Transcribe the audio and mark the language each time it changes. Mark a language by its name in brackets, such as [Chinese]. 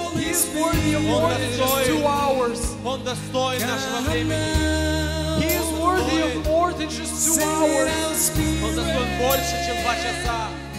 [English] He is worthy of more than just 2 hours. [Russian] Он достоин нашего времени. [English] He is worthy of more than just 2 hours. [Russian] Он достоин больше, чем 2 часа.